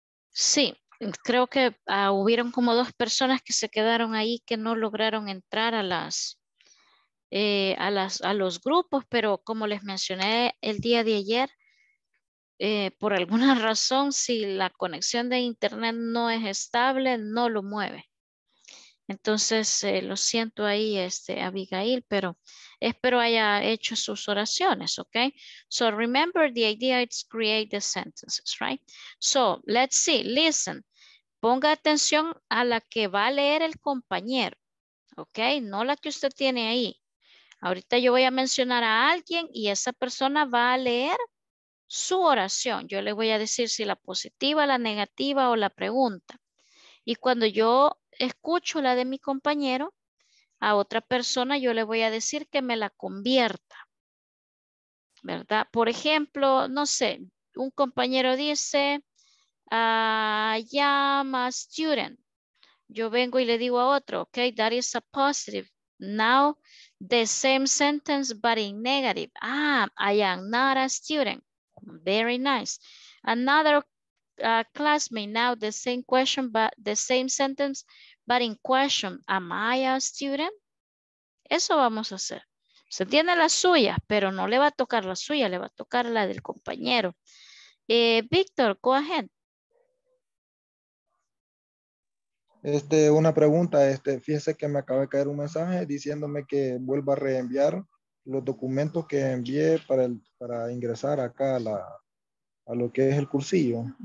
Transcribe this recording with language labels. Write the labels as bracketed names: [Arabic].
[Spanish] Sí, creo que hubieron como 2 personas que se quedaron ahí que no lograron entrar a los grupos, pero como les mencioné el día de ayer, por alguna razón, si la conexión de internet no es estable, no lo mueve. Entonces, lo siento ahí, Abigail, pero espero haya hecho sus oraciones, okay? [English] So remember the idea is create the sentences, right? So let's see, listen. [Spanish] Ponga atención a la que va a leer el compañero, okay? No la que usted tiene ahí. Ahorita yo voy a mencionar a alguien y esa persona va a leer su oración. Yo le voy a decir si la positiva, la negativa o la pregunta. Y cuando yo escucho la de mi compañero, a otra persona yo le voy a decir que me la convierta, ¿verdad? Por ejemplo, no sé, un compañero dice, [English] I am a student. [Spanish] Yo vengo y le digo a otro, [English] ok, that is a positive. Now, the same sentence, but in negative. Ah, I am not a student. Very nice. Another classmate, now the same question, but the same sentence, but in question, am I a student? [Spanish] Eso vamos a hacer. Se tiene la suya, pero no le va a tocar la suya, le va a tocar la del compañero. [English] Víctor, go ahead. [Spanish] Una pregunta, fíjese que me acaba de caer un mensaje diciéndome que vuelva a reenviar los documentos que envié para ingresar acá a lo que es el cursillo.